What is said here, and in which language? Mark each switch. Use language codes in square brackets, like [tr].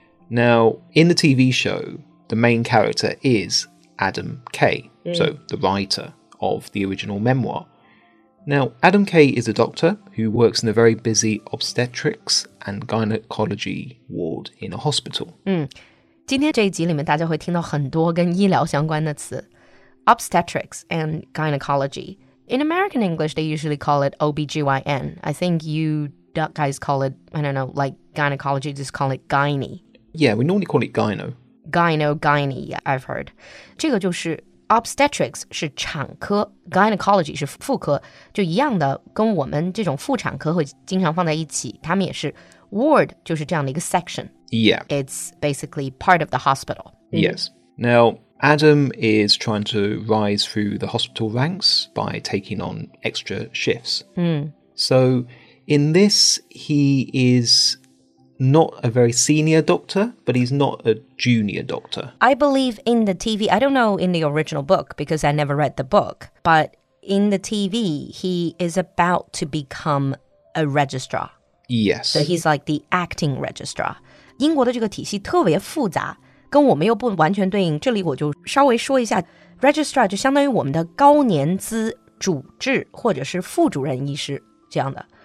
[en] Now, in the TV show, the main character is Adam Kay, so the writer of the original memoir. Now, Adam Kay is a doctor who works in a very busy obstetrics and gynecology ward in a hospital. [zh] 今天这一集里面大家会听到很多跟医疗相关的词。 [en] Obstetrics and gynecology. In American English, they usually call it OBGYN. I think you guys call it, I don't know, like gynecology, just call it gynae. Yeah, we normally call it gyno. Gyno, gynae, yeah, I've heard. [zh] 这个就是 obstetrics 是产科 ,gynecology 是妇科，就一样的跟我们这种妇产科会经常放在一起，他们也是 ward 就是这样的一个 section. [en] Yeah. It's basically part of the hospital. Yes. Now... Adam is trying to rise through the hospital ranks by taking on extra shifts. So in this, he is not a very senior doctor, but he's not a junior doctor. I believe in the TV, I don't know in the original book because I never read the book, but in the TV, he is about to become a registrar. Yes. So he's like the acting registrar. [zh] 英国的这个体系特别复杂。跟我们又不完全对应，这里我就稍微说一下 ，registrar 就相当于我们的高年资主治或者是副主任医师这样的。